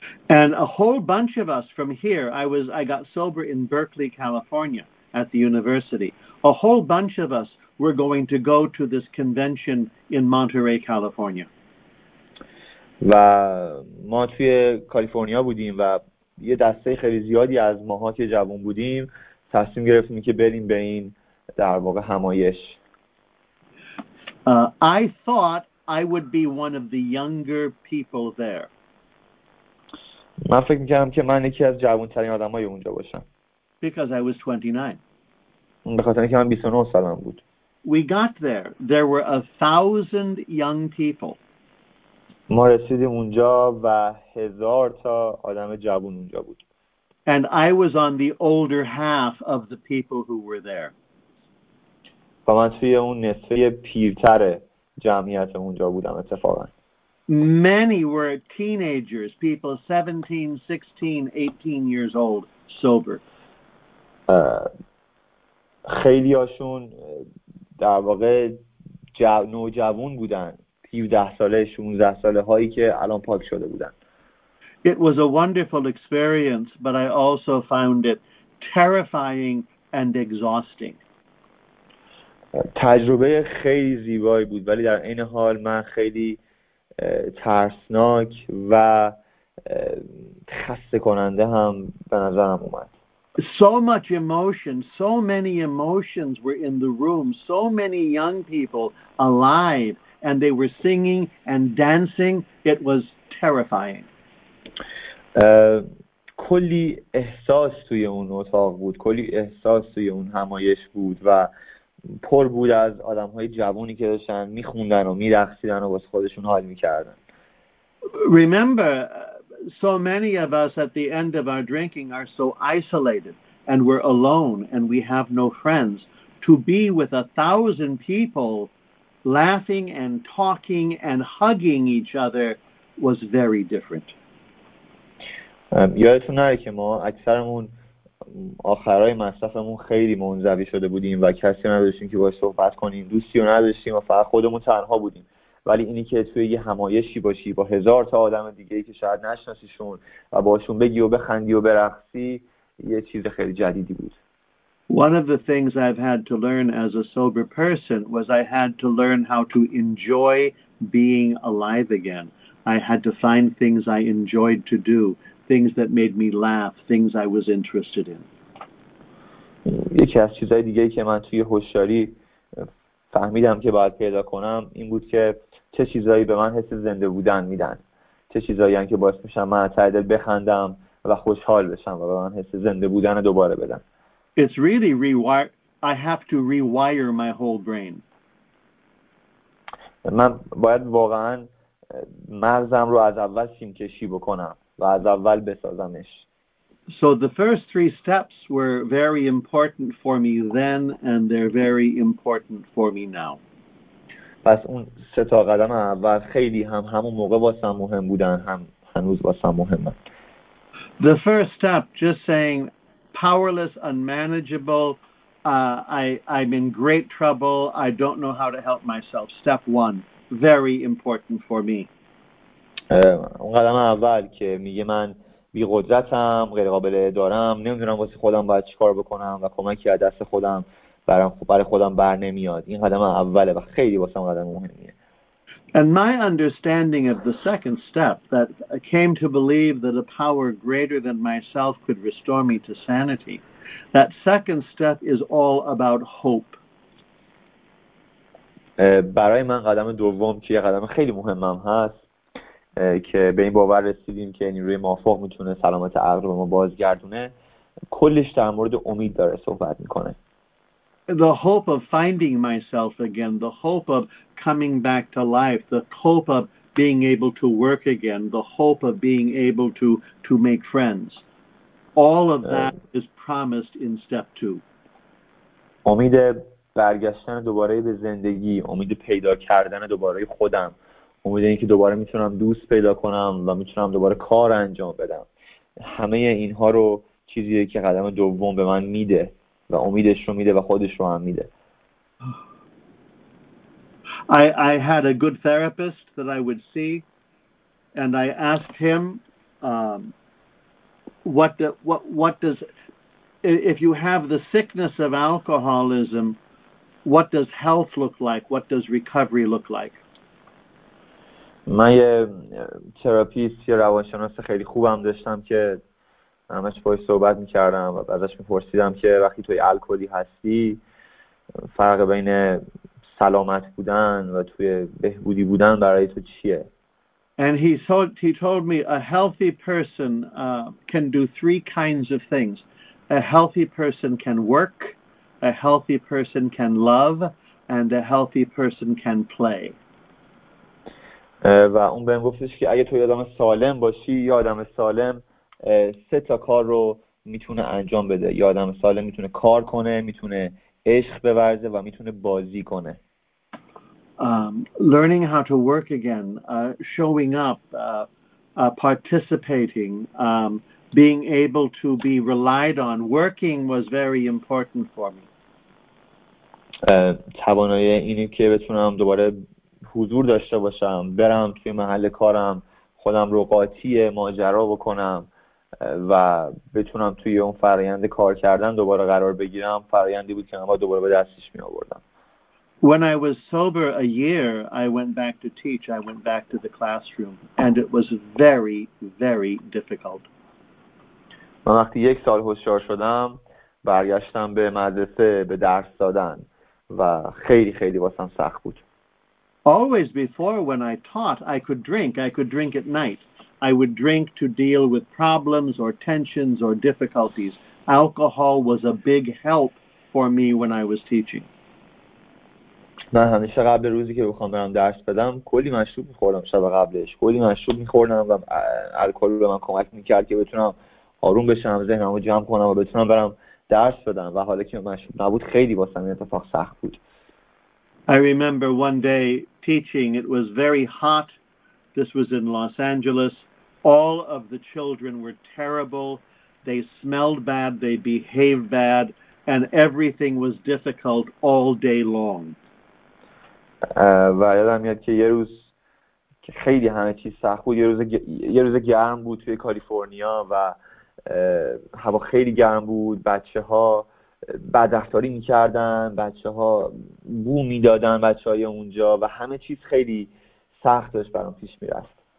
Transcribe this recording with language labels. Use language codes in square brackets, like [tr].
[en] And a whole bunch of us from here, I got sober in Berkeley, California at the university. A whole bunch of us were going to go to this convention in Monterey, California. [fa] و ما توی کالیفرنیا بودیم و یه دسته خیلی زیادی از ماها که جوان بودیم تصمیم گرفتیم که بریم به این در واقع همایش. [en] I thought I would be one of the younger people there. [fa] من فکر می‌کردم که من یکی از جوان‌ترین آدم‌های اونجا باشم. [en] Because I was 29. [fa] به خاطر اینکه من 29 سالم بود. [en] We got there. There were 1,000 young people. [fa] ما رسیدیم اونجا و 1,000 تا آدم جوان اونجا بود. [en] And I was on the older half of the people who were there. [fa] و من توی اون نصفه پیرتر جمعیت اونجا بودم اتفاقا. [en] Many were teenagers, people 17, 16, 18 years old, sober. [fa] خیلی هاشون در واقع نوجوان بودن. 17 ساله، 16 ساله هایی که الان پاک شده بودن. [en] It was a wonderful experience, but I also found it terrifying and exhausting. [fa] تجربه خیلی زیبایی بود ولی در این حال من خیلی ترسناک و خسته کننده هم به نظرم اومد. [en] So much emotion, so many emotions were in the room, so many young people alive and they were singing and dancing. It was terrifying. [fa] کلی احساس توی اون اتاق بود، کلی احساس توی اون همایش بود و پر بود از آدم‌های جوانی که داشتن می‌خوندن و می‌رقصیدن و واسه خودشون حال می‌کردن. [en] Remember, so many of us at the end of our drinking are so isolated and we're alone and we have no friends. To be with 1,000 people laughing and talking and hugging each other was very different. [fa] یادتون نره که ما اکثرمون آخرای مصرفمون خیلی منزوی شده بودیم و کسی نداشتیم که باهاش صحبت کنیم، دوستی رو نداشتیم و فقط خودمون تنها بودیم. ولی اینی که توی یه همایشی باشی با 1,000 تا آدم دیگه‌ای که شاید نشناسیشون و باهاشون بگی و بخندی و برقصی یه چیز خیلی جدیدی بود. [en] One of the things I've had to learn as a sober person was I had to learn how to enjoy being alive again. I had to find things I enjoyed to do. Things that made me laugh, things I was interested in. [fa] یکی از چیزهای دیگه که من توی هوشیاری فهمیدم که باید پیدا کنم این بود که چه چیزهایی به من حس زنده بودن میدن، چه چیزهایی هم که باعث میشن من ته دل بخندم و خوشحال بشم و به من حس زنده بودن دوباره بدن. [en] It's really I have to rewire my whole brain. [fa] من باید واقعا مغزم رو از اول سیمکشی بکنم و از اول بسازمش. [en] So the first three steps were very important for me then and they're very important for me now. [fa] پس اون سه تا قدم اول خیلی هم همون موقع واسم مهم بودن، هم هنوز واسم مهمن. [en] The first step, just saying powerless, unmanageable, I'm in great trouble, I don't know how to help myself. Step one, very important for me. [fa] اون قدم اول که میگه من بی قدرتم، غیر قابل دارم، نمیدونم واسه خودم باید چیکار بکنم و کمکی از دست خودم برای خودم بر نمیاد، این قدم اوله و خیلی واسه من قدم مهمیه. [en] And my understanding of the second step, that I came to believe that a power greater than myself could restore me to sanity, that second step is all about hope. [fa] برای من قدم دوم که یه قدم خیلی مهمم هست که به این باور رسیدیم که نیروی موافق میتونه سلامت عقل رو ما بازگردونه، کلش در مورد امید داره صحبت میکنه. [en] The hope of finding myself again, the hope of coming back to life, the hope of being able to work again, the hope of being able to make friends. All of that is promised in step two. [fa] امید برگشتن دوباره به زندگی، امید پیدا کردن دوباره خودم، امید این که دوباره میتونم دوست پیدا کنم و میتونم دوباره کار انجام بدم. همه اینها رو چیزیه که قدم دوم به من میده و امیدش رو میده و خودش رو هم میده. [en] I had a good therapist that I would see, and I asked him, what does if you have the sickness of alcoholism, what does health look like? What does recovery look like? [fa] من یه تراپیست یا روانشناس خیلی خوبم داشتم که همش باهاش صحبت می‌کردم و ازش می‌پرسیدم که وقتی توی الکلی هستی فرق بین سلامت بودن و توی بهبودی بودن برای تو چیه؟ [en] And he told me a healthy person can do three kinds of things. A healthy person can work, a healthy person can love, and a healthy person can play. [fa] و اون بهم گفتش که اگه تو یه آدم سالم باشی، یه آدم سالم سه تا کار رو میتونه انجام بده. یه آدم سالم میتونه کار کنه، میتونه عشق بورزه و میتونه بازی کنه. [en] Learning how to work again, showing up, participating, being able to be relied on. Working was very important for me. [fa] توانایی اینی که بتونم دوباره حضور داشته باشم، برم توی محل کارم، خودم رو قاطی ماجرا بکنم و بتونم توی اون فرآیند کار کردن دوباره قرار بگیرم، فرآیندی بود که من دوباره به دستش می آوردم. [en] When I was sober a year, I went back to teach. I went back to the classroom, and it was very, very difficult. [fa] من وقتی یک سال هوشیار شدم، برگشتم به مدرسه به درس دادن و خیلی خیلی واسم سخت بود. [en] Always before when I taught, I could drink at night. I would drink to deal with problems or tensions or difficulties. Alcohol was a big help for me when I was teaching. [fa] من همیشه قبل روزی که بخوام برم درس بدم کلی مشروب می‌خوردم. شب قبلش کلی مشروب می‌خوردم و الکل به من کمک می‌کرد که بتونم آروم بشم، ذهنم رو جمع کنم و بتونم برم درس بدم. و حالا که مشروب نبود خیلی واسم این اتفاق سخت بود. [en] I remember one day teaching. It was very hot. This was in Los Angeles. All of the children were terrible. They smelled bad. They behaved bad. And everything was difficult all day long. [fa] و یادم میاد که یه روز که خیلی همه چیز سخت بود، یه روز گرم بود توی کالیفرنیا و هوا خیلی گرم بود، بچه ها بدرفتاری میکردن، بچه ها بو میدادن، بچه های اونجا و همه چیز خیلی سخت داشت برام پیش میرفت.